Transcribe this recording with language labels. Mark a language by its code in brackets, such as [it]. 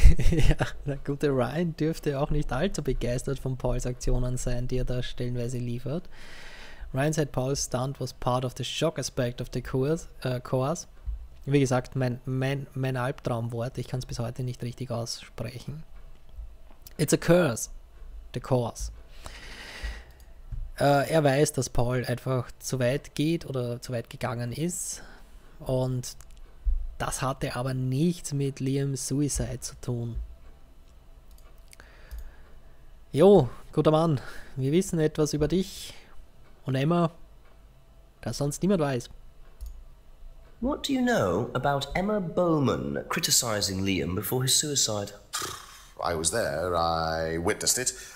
[de] Ja, der gute Ryan dürfte auch nicht allzu begeistert von Pauls Aktionen sein, die er da stellenweise liefert. [en] Ryan said Paul's stunt was part of the shock aspect of the course. [de] Wie gesagt, mein Albtraumwort, ich kann es bis heute nicht richtig aussprechen. [en] It's a curse, the course. [de] Er weiß, dass Paul einfach zu weit geht oder zu weit gegangen ist. Und das hatte aber nichts mit Liam's Suicide zu tun. Jo, guter Mann, wir wissen etwas über dich und Emma, das sonst niemand weiß. [en] What do you know about Emma Bowman criticizing Liam before his suicide? I was there, I witnessed it.